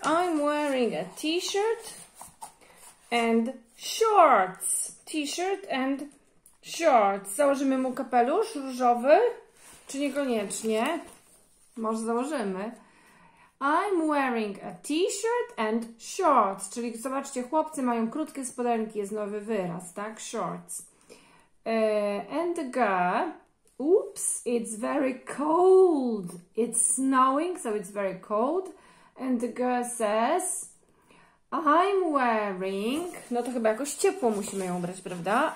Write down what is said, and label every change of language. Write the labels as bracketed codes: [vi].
[en] I'm wearing a t-shirt and shorts. T-shirt and shorts. [pl] Założymy mu kapelusz różowy? Czy niekoniecznie? Może założymy. [en] I'm wearing a t-shirt and shorts. [pl] Czyli zobaczcie, chłopcy mają krótkie spodenki. Jest nowy wyraz, tak? Shorts. [en] And the girl. Oops, it's very cold. It's snowing, so it's very cold. And the girl says, I'm wearing... [pl] No to chyba jakoś ciepło musimy ją ubrać, prawda?